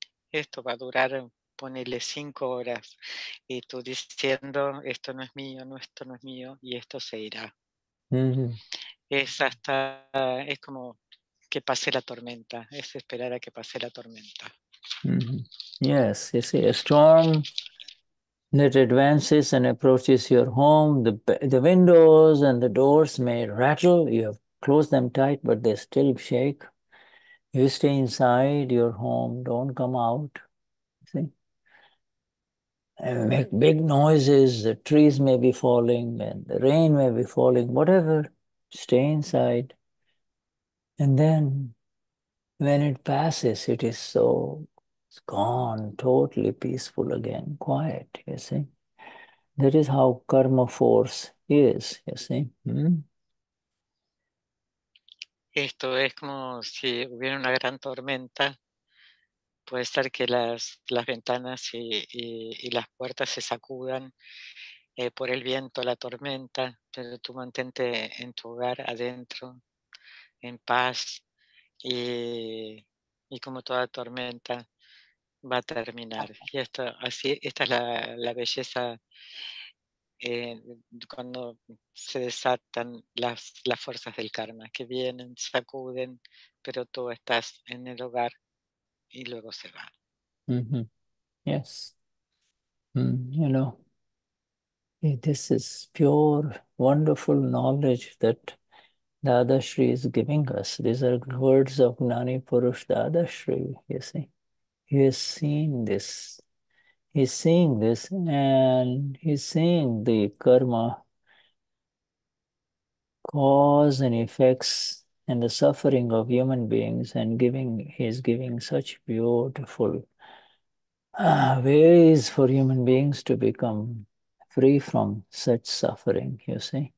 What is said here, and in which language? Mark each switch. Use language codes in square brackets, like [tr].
[es] Esto va a durar, ponele 5 horas, y tú diciendo, esto no es mío, no, esto no es mío, y esto se irá. Es hasta, es como que pase la tormenta, es esperar a que pase la tormenta. [en] Yes, you see, a storm that advances and approaches your home, the windows and the doors may rattle, you have closed them tight, but they still shake. You stay inside your home, don't come out, see. And make big noises, the trees may be falling and the rain may be falling, whatever, stay inside. And then when it passes, it is so, it's gone, totally peaceful again, quiet, you see. That is how karma force is, you see. [es] Esto es como si hubiera una gran tormenta. Puede ser que las ventanas y las puertas se sacudan por el viento, la tormenta, pero tú mantente en tu hogar adentro, en paz, y como toda tormenta va a terminar. Y esto, así, esta es la belleza cuando se desatan las fuerzas del karma, que vienen, sacuden, pero tú estás en el hogar. Y luego se va. [en] Yes. You know, this is pure, wonderful knowledge that Dadashri is giving us. These are words of Gnani Purush Dadashri, you see. He has seen this. He's seeing this, and he's seeing the karma cause and effects and the suffering of human beings, and he is giving such beautiful ways for human beings to become free from such suffering, you see.